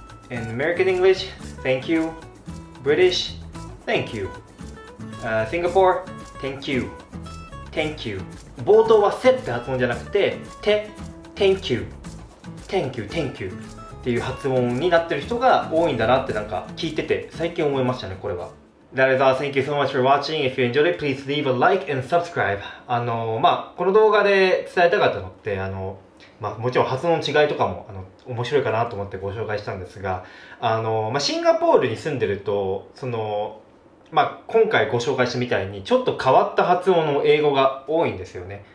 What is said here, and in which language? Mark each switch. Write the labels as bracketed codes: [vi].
[en] In American English, thank you. British, thank you. Singapore, thank you. Thank you. [ja] 冒頭はせって発音じゃなくて、て、 [en] thank you. Thank you, thank you. [ja] っていう発音になってる人が多いんだなってなんか聞いてて、最近思いましたね、これは。 [en] That is all. Thank you so much for watching. If you enjoyed it, please leave a like and subscribe. [ja] まあ、この動画で伝えたかったのって、まあ、もちろん発音の違いとかも、面白いかなと思ってご紹介したんですが、まあ、シンガポールに住んでると、まあ、今回ご紹介したみたいに、ちょっと変わった発音の英語が多いんですよね。